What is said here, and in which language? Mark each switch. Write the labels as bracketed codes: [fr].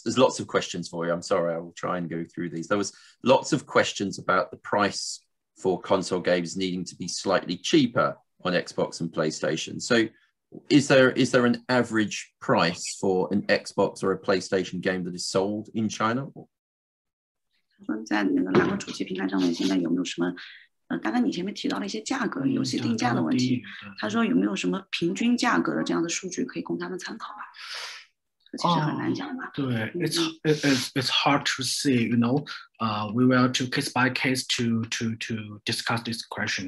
[en] There's lots of questions for you. I'm sorry. I will try and go through these. There was lots of questions about the price for console games needing to be slightly cheaper on Xbox and PlayStation. So. Is there an average price for an Xbox or a PlayStation game that is sold in China? [zh] 在那个两个主机平台上面，现在有没有什么？刚刚你前面提到了一些价格、游戏定价的问题。他说有没有什么平均价格的这样的数据可以供他们参考吧？其实很难讲吧。 [en] 对，it's hard to say. You know, we will to case by case to discuss this question.